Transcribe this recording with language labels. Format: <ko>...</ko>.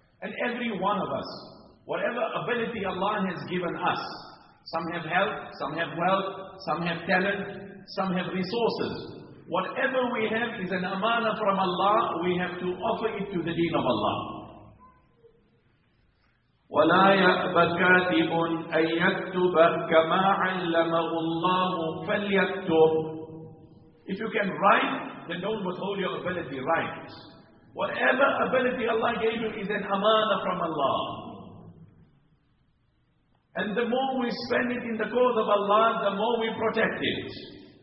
<en>And every one of us, whatever ability Allah has given us, some have health, some have wealth, some have talent, some have resources. Whatever we have is an amana from Allah. We have to offer it to the deen of Allah.</en> <ar>ولا يأبى كاتب أن يكتب كما علمه الله فليكتب.</ar> <en>If you can write, then don't withhold your ability, write. Whatever ability Allah gave you is an amana from Allah. And the more we spend it in the cause of Allah, the more we protect it.</en>